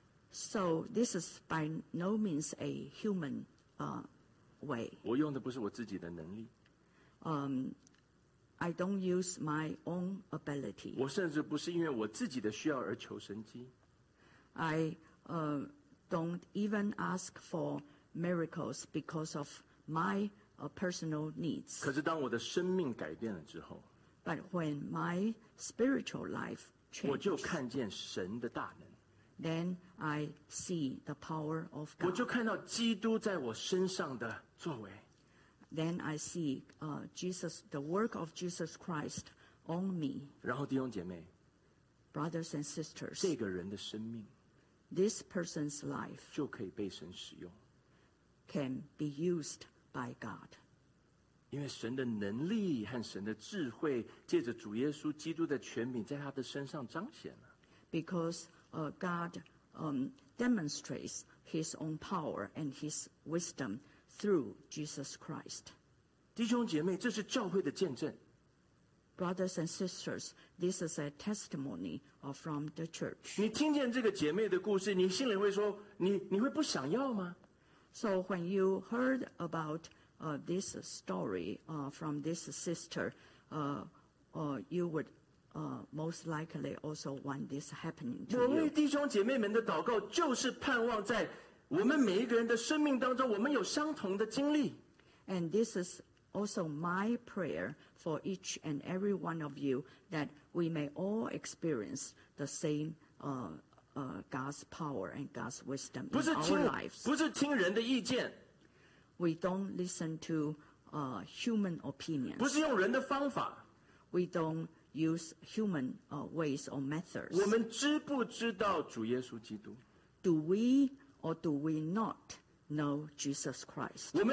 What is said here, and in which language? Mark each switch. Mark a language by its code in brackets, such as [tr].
[en] So this is by no means a human way. [zh] 我用的不是我自己的能力。 [en] I don't use my own ability. [zh] 我甚至不是因为我自己的需要而求神迹。 [en] I don't even ask for miracles because of my personal needs. [zh] 可是当我的生命改变了之后, [en] But when my spiritual life changed, [zh] 我就看见神的大能。 [en] Then I see the power of God. [zh] 我就看到基督在我身上的作为。 [en] Then I see Jesus, the work of Jesus Christ on me. [zh] 然后弟兄姐妹, [en] Brothers and sisters, [zh] 这个人的生命, [en] this person's life [zh] 就可以被神使用, [en] can be used by God. [zh] 因为神的能力和神的智慧, 借着主耶稣基督的权柄在他的身上彰显了。 [en] Because God demonstrates his own power and his wisdom through Jesus Christ. [zh] 弟兄姐妹, 这是教会的见证。 [en] Brothers and sisters, this is a testimony from the church. [zh] 你听见这个姐妹的故事, 你心里会说, 你会不想要吗? [en] So when you heard about this story from this sister, you would most likely also want this happening to you. [zh] 我为弟兄姐妹们的祷告就是盼望在 我们每一个人的生命当中，我们有相同的经历。 [en] And this is also my prayer for each and every one of you that we may all experience the same God's power and God's wisdom in [zh] 不是听, [en] our lives. [zh] 不是听人的意见。 [en] We don't listen to human opinions. [zh] 不是用人的方法。 [en] We don't use human ways or methods. [zh] 我们知不知道主耶稣基督？ [en] Do we or do we not know Jesus Christ?